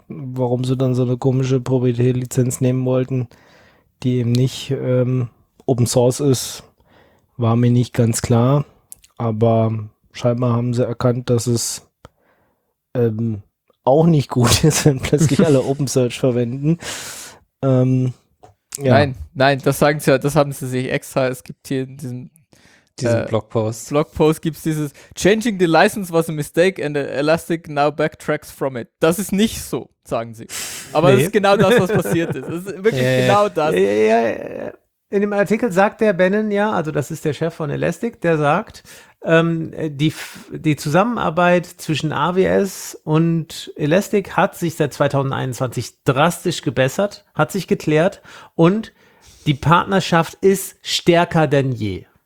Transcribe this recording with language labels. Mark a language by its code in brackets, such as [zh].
[de] Warum sie dann so eine komische Proprietärlizenz nehmen wollten, die eben nicht Open Source ist, war mir nicht ganz klar. Aber scheinbar haben sie erkannt, dass es auch nicht gut ist, wenn plötzlich alle Open Source verwenden. Ja. Nein, das sagen sie ja, das haben sie sich extra. Es gibt hier in diesem diesen Blogpost. Blogpost gibt es dieses [en] Changing the license was a mistake and Elastic now backtracks from it. [de] Das ist nicht so, sagen sie. Aber es ist genau das, was passiert ist. Es ist wirklich genau das. In dem Artikel sagt der Bannon ja, also das ist der Chef von Elastic, der sagt, die Zusammenarbeit zwischen AWS und Elastic hat sich seit 2021 drastisch gebessert, hat sich geklärt und die Partnerschaft ist stärker denn je.